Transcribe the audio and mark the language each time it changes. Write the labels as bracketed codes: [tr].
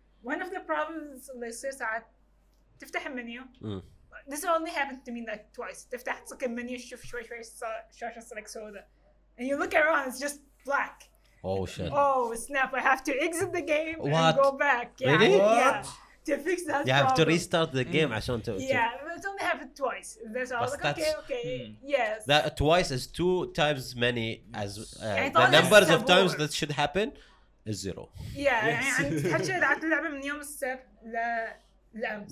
[en] One of the problems [ar] اللي يصير ساعات تفتح المنيو. [en] This only happened to me like twice. [ar] تفتح تسك المنيو شوف شوي شوي شاشة سلك سودا. [en] And you look around, it's just black. Oh shit. Oh snap, I have to exit the game What? And go back. Yeah, really? Yeah. What? To fix that you problem. Have to restart the game [ar] عشان [en] to yeah, but it only happened twice. So I was like, okay, yes. That twice is two times many as the numbers of times that should happen is zero. Yeah, and [ar] حتى لعبت من يوم السبت لأمس.